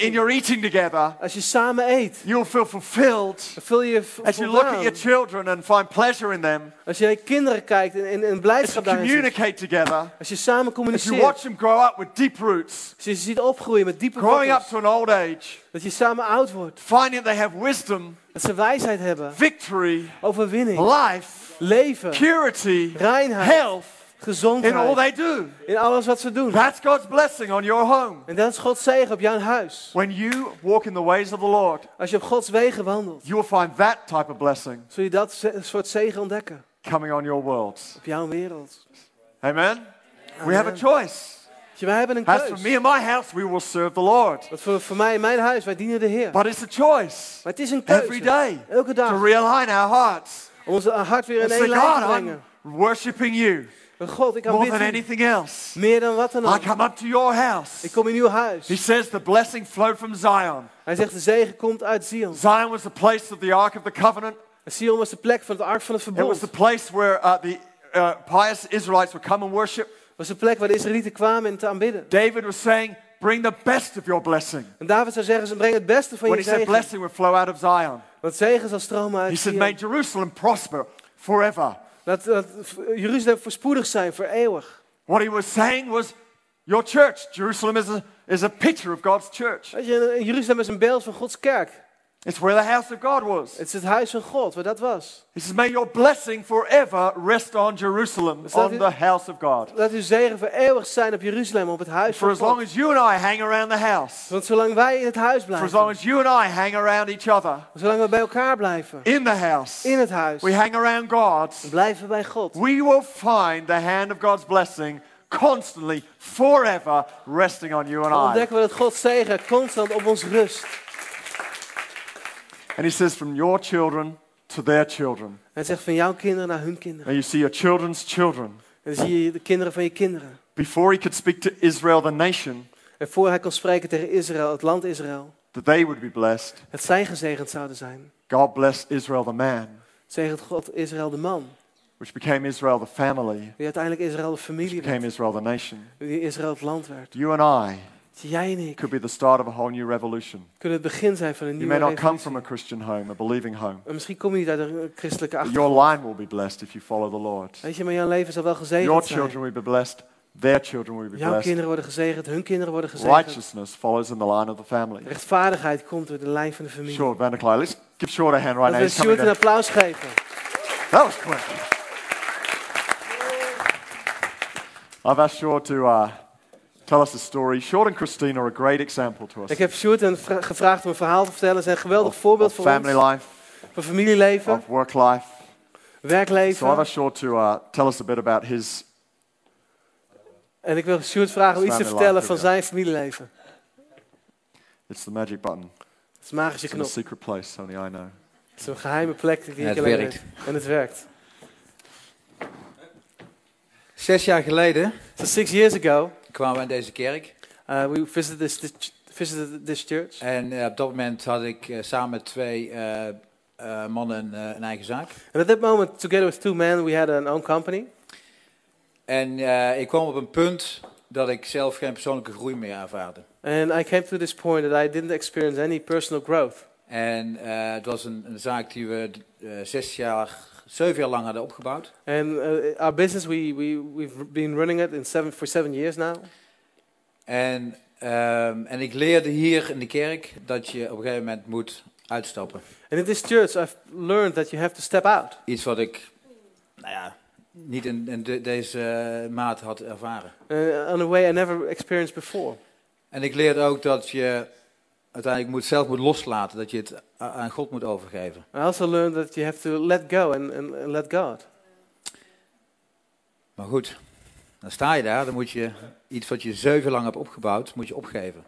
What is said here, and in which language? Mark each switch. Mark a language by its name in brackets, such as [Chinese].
[English] In your eating together. [Dutch] Als je samen eet. [English] You will feel fulfilled. [Dutch] Voel je [English] as you look at your children and find pleasure in them. [Dutch] Als je naar je kinderen kijkt en blijdschap daarin. [English] As you communicate together. [Dutch] Als je samen communiceert. [English] As you watch them grow up with deep roots. [Dutch] Als je ze ziet opgroeien met diepe [English] growing [Dutch] wortels. [English] Growing up to an old age. [Dutch] Dat je samen oud wordt. [English] Finding they have wisdom. [Dutch] Dat ze wijsheid hebben. [English] Victory. [Dutch] Overwinning. [English] Life. [Dutch] Leven. [English] Purity. [Dutch] Reinheid. [English] Health. [Dutch] Gezondheid. [English] In all they do. [Dutch] In alles wat ze doen. [English] That's God's blessing on your home. [Dutch] En dat is Gods zegen op jouw huis. [English] When you walk in the ways of the Lord. [Dutch] Als je op Gods wegen wandelt. [English] You will find that type of blessing. [Dutch] Zul je dat soort zegen ontdekken. [English] Coming on your world. [Dutch] Op jouw wereld. [English] Amen. Amen. We have a choice. [Dutch] Wij hebben een keus. [English] As for me and my house, we will serve the Lord. [Dutch] Want voor mij en mijn huis, wij dienen de Heer. [English] But it's a choice. [Dutch] Maar het is een keuze. [English] Every day. [Dutch] Elke dag. [English] To realign our hearts. [Dutch] Om ons hart weer in één lijn te brengen. [English] worshiping you. [Dutch] God, ik [English] more than anything else. [Dutch] Meer dan wat dan ook. [English] I come up to your house. [Dutch] Ik kom in uw huis. [English] He says the blessing flowed from Zion. [Dutch] Hij zegt de zegen komt uit Zion. [English] Zion was the place of the Ark of the Covenant. [Dutch] Zion was de plek van het Ark van het Verbond. [English] It was the place where pious Israelites would come and worship. [Dutch] Was de plek waar de Israëlieten kwamen en te aanbidden. [English] David was saying, bring the best of your blessing. [Dutch] En David zou zeggen, ze brengen het beste van [English] when [Dutch] je zegen. [English] When he said blessing would flow out of Zion. [Dutch] Want zegen zal stromen uit [English] he [Dutch] Zion. [English] He said, may Jerusalem prosper forever. [Dutch] Dat Jeruzalem voorspoedig zijn voor eeuwig. [English] What he was saying was, your church, Jerusalem is a picture of God's church. [Dutch] Jeruzalem is een beeld van Gods kerk. [English] It's where the house of God was. [Dutch] It's het huis van God, waar dat was. [English] He says, may your blessing forever rest on Jerusalem, on the house of God. [Dutch] Laat uw zegen voor eeuwig zijn op Jeruzalem, op het huis van God. [English] For as long as you and I hang around the house. [Dutch] Want zolang wij in het huis blijven. [English] For as long as you and I hang around each other. [Dutch] Zolang we bij elkaar blijven. [English] In the house. [Dutch] In het huis. [English] We hang around God. [Dutch] Blijven bij God. [English] We will find the hand of God's blessing constantly, forever resting on you and I. [Dutch] Ontdekken we dat Gods zegen constant op ons rust. [English] And he says, from your children to their children. [Dutch] Hij zegt van jouw kinderen naar hun kinderen. [English] And you see your children's children. [Dutch] En dan zie je de kinderen van je kinderen. [English] Before he could speak to Israel, the nation. [Dutch] En voor hij kon spreken tegen Israël, het land Israël. [English] That they would be blessed. [Dutch] Dat zij gezegend zouden zijn. [English] God bless Israel, the man. [Dutch] Zegent God Israël, de man. [English] Which became Israel, the family. [Dutch] Die uiteindelijk Israël, de familie werd. [English] Became Israel, the nation. [Dutch] Die Israël, het land werd. [English] You and I. [Dutch] Jij en ik. [English] Could be the start of a whole new revolution. [Dutch] Kunnen het begin zijn van een nieuwe revolutie. [English] You may not come from a Christian home, a believing home. [Dutch] En misschien kom je niet uit een christelijke achtergrond. [English] Your line will be blessed if you follow the Lord. [Dutch] Weet je, maar jouw leven zal wel gezegend zijn. [English] Your children will be blessed. Their children will be blessed. [Dutch] Jouw kinderen worden gezegend. Hun kinderen worden gezegend. [English] Righteousness follows in the line of the family. [Dutch] Rechtvaardigheid komt door de lijn van de familie. [English] Short van der Klaai, let's give Short a hand right now. [Dutch] Let's Short een applaus geven. [English] That was quick. I've asked Short to. Tell us a story. Short and Christine are a great example to us. [Dutch] Ik heb Short en gevraagd om een verhaal te vertellen. Ze zijn een geweldig voorbeeld voor ons. [English] Of family life. [Dutch] Van familieleven. [English] Of work life. [Dutch] Werkleven. [English] So I want Short to tell us a bit about his. [Dutch] En ik wil Short vragen om iets te vertellen van zijn familieleven. [English] It's the magic button. [Dutch] Het is een magische knop. [English] It's a secret place only I know. [Dutch] Het is een geheime plek die ik alleen weet. En het werkt. En het werkt. 6 jaar geleden. [English] So 6 years ago. [Dutch] Kwamen we in deze kerk. [English] We visited this church. [Dutch] En op dat moment had ik samen met twee mannen een eigen zaak. [English] And at that moment, together with two men, we had an own company. [Dutch] En ik kwam op een punt dat ik zelf geen persoonlijke groei meer ervaarde. [English] And I came to this point that I didn't experience any personal growth. [Dutch] En het was een zaak die we 7 jaar lang hadden opgebouwd. [English] And our business we've been running it for seven years now. [Dutch] En ik leerde hier in de kerk dat je op een gegeven moment moet uitstappen. [English] And in this church I've learned that you have to step out. [Dutch] Iets wat ik niet in deze mate had ervaren. [English] In a way I never experienced before. [Dutch] En ik leerde ook dat je uiteindelijk moet loslaten, dat je het aan God moet overgeven. [English] I also learned that you have to let go and let God. [Dutch] Maar goed, dan sta je daar, dan moet je iets wat je 7 lang hebt opgebouwd, moet je opgeven.